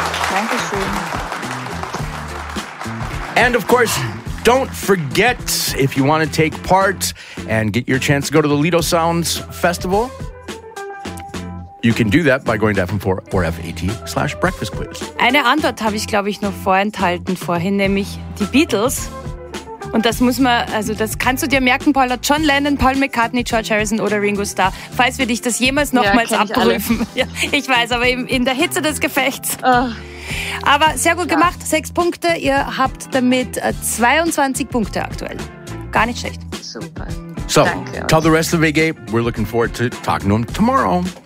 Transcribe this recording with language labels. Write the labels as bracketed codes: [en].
[de] Dankeschön. [en] And of course, don't forget, if you want to take part and get your chance to go to the Lido Sounds Festival, you can do that by going to fm4.at/breakfastquiz. [de] Eine Antwort habe ich, glaube ich, noch vorenthalten vorhin, nämlich die Beatles. Und das muss man, also das kannst du dir merken, Paula, John Lennon, Paul McCartney, George Harrison oder Ringo Starr, falls wir dich das jemals nochmals abprüfen. Ja, ich weiß, aber in der Hitze des Gefechts. Oh. Aber sehr gut gemacht, 6 Punkte, ihr habt damit 22 Punkte aktuell. Gar nicht schlecht. Super. So, danke, [en] tell the rest of AG, we're looking forward to talking to him tomorrow.